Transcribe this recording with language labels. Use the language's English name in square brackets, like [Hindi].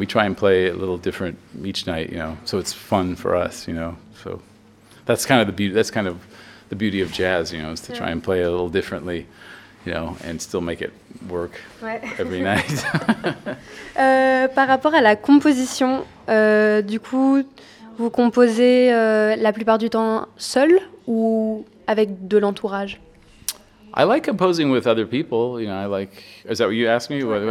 [English] We try and play a little different each night, you know. So it's fun for us, you know. So that's kind of the beauty. That's kind of the beauty of jazz, you know, is to try and play a little differently, you know, and still make it work every night. [French] Par rapport à la composition, du coup, vous composez la plupart du temps seul ou avec de l'entourage? [English] I like composing with other people, you know, I like, is that what you asked me?